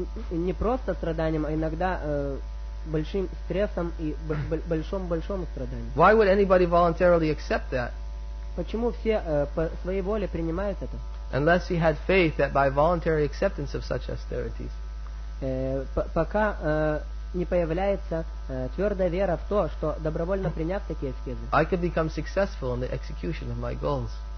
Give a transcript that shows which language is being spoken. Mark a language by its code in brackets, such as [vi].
[ru] Не просто страданиям, а иногда большим стрессом и большим страданием. [en] Why would anybody voluntarily accept that? [ru] Почему все по своей воле принимают это? [en] Unless he had faith that by voluntary acceptance of such austerities. [ru] Пока не появляется твердая вера в то, что добровольно приняв такие аскезы, [en] I could become successful in the execution of my goals.